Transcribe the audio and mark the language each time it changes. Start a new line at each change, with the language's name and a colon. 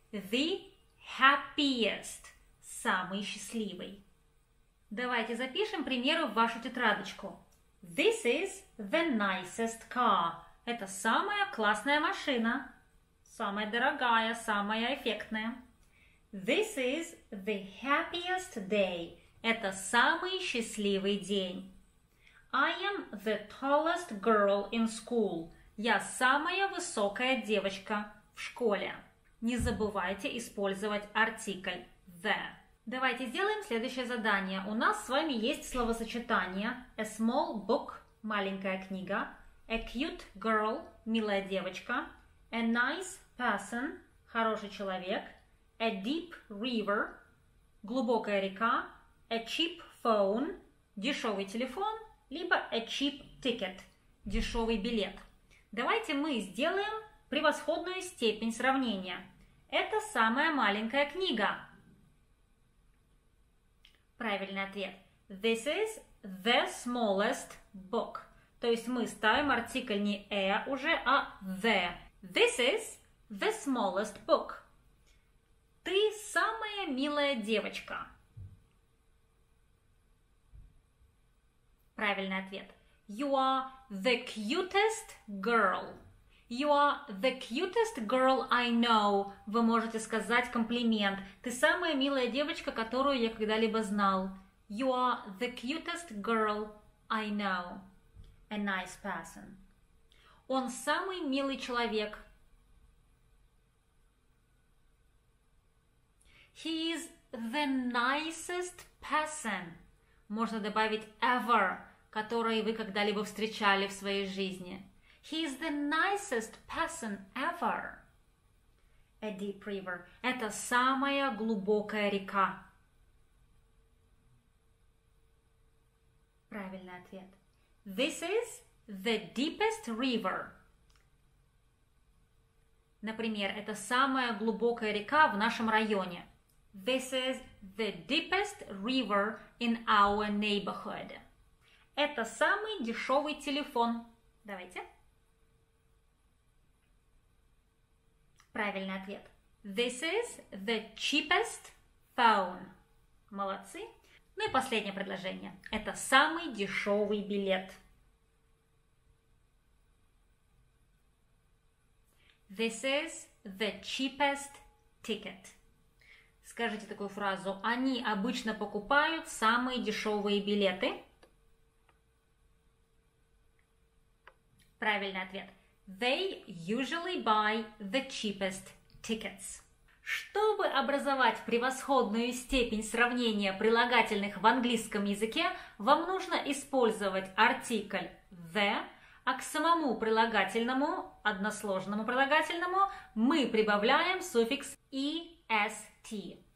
English: The happiest –
Russian: самый счастливый. Давайте запишем примеры в вашу тетрадочку.
English: This is the nicest car.
Russian: Это самая классная машина. Самая дорогая, самая эффектная.
English: This is the happiest day.
Russian: Это самый счастливый день.
English: I am the tallest girl in school.
Russian: Я самая высокая девочка в школе. Не забывайте использовать артикль the. Давайте сделаем следующее задание. У нас с вами есть словосочетание
English: a small book
Russian: – маленькая книга,
English: a cute girl
Russian: – милая девочка,
English: a nice person
Russian: – хороший человек,
English: a deep river
Russian: – глубокая река,
English: a cheap phone
Russian: – дешевый телефон, либо
English: a cheap ticket
Russian: – дешевый билет. Давайте мы сделаем превосходную степень сравнения. Это самая маленькая книга. Правильный ответ.
English: This is the smallest book.
Russian: То есть мы ставим артикль не a уже, а the.
English: This is the smallest book.
Russian: Ты самая милая девочка. Правильный ответ.
English: You are the cutest girl. You are the cutest girl I know.
Russian: Вы можете сказать комплимент. Ты самая милая девочка, которую я когда-либо знал.
English: You are the cutest girl I know. A nice person.
Russian: Он самый милый человек.
English: He is the nicest person.
Russian: Можно добавить ever, который вы когда-либо встречали в своей жизни.
English: He is the nicest person ever. A deep river.
Russian: Это самая глубокая река. Правильный ответ.
English: This is the deepest river.
Russian: Например, это самая глубокая река в нашем районе.
English: This is the deepest river in our neighborhood.
Russian: Это самый дешевый телефон. Давайте. Правильный ответ.
English: This is the cheapest phone.
Russian: Молодцы. Ну и последнее предложение. Это самый дешевый билет.
English: This is the cheapest ticket.
Russian: Скажите такую фразу. Они обычно покупают самые дешевые билеты. Правильный ответ.
English: They usually buy the cheapest tickets.
Russian: Чтобы образовать превосходную степень сравнения прилагательных в английском языке, вам нужно использовать артикль the, а к самому прилагательному, односложному прилагательному, мы прибавляем суффикс est.